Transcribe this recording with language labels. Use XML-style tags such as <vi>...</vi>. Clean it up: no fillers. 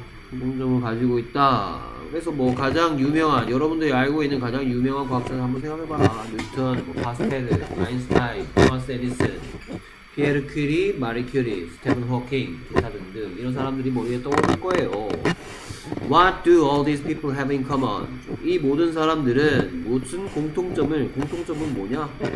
<ko>공통점을 가지고 있다. 그래서 뭐 가장 유명한 여러분들이 알고 있는 가장 유명한 과학자 한번 생각해봐라. 뉴턴, 뭐 파스텔, 아인슈타인, 토마스 에디슨, 피에르 퀴리, 마리 퀴리, 스테븐 호킹, 기타 등등 이런 사람들이 머리에 떠오를 거예요.</ko> <en>What do all these people have in common?</en> <ko>이 모든 사람들은 무슨 공통점을 공통점은 뭐냐?</ko>